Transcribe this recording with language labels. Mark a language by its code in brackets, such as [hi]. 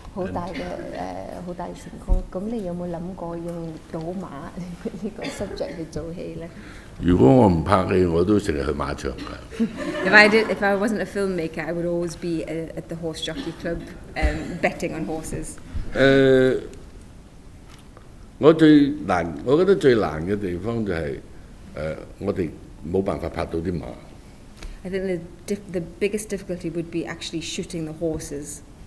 [en] If I wasn't a filmmaker, I would always be at the horse jockey club betting on horses. [zh] 我覺得最難的地方就是我們沒辦法拍到馬。 [en] I think the biggest difficulty would be actually shooting the horses.